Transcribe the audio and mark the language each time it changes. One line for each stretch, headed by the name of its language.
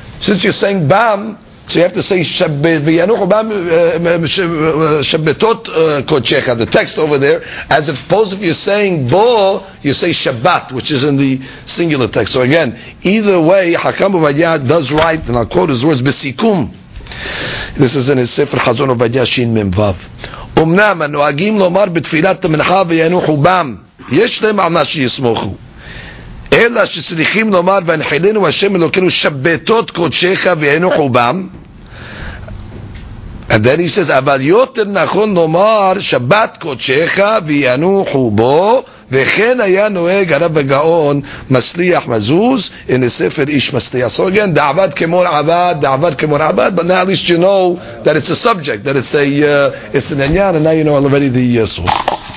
English: Since you're saying bam, so you have to say Shabbetot Kodshecha, the text over there, as opposed if you're saying bo, you say Shabbat, which is in the singular text. So again, either way, Hakam Uvadiyah does write, and I'll quote his words, Besikum. This is in his Sefer Chazon Uvadiyah Shin Mem Vav.
Hebrew: אמנם הנוהגים לומר בתפילת המנחה וינוחו בם, יש להם על מה שיסמוכו. אלא שצריכים לומר והנחילנו השם אלוקינו שבתות קודשך וינוחו בם.
English: And then he says,
Hebrew: אבל יותר נכון לומר שבת קודשך וינוחו בו, וכן היה נוהג הרב הגאון מצליח מזוז,
English: in the
Hebrew: ספר איש מצליח.
English: So again,
Hebrew: דעבד כמור עבד, דעבד כמור עבד,
English: but now at least you know that it's a subject, that it's an עניין, and now you know already the source.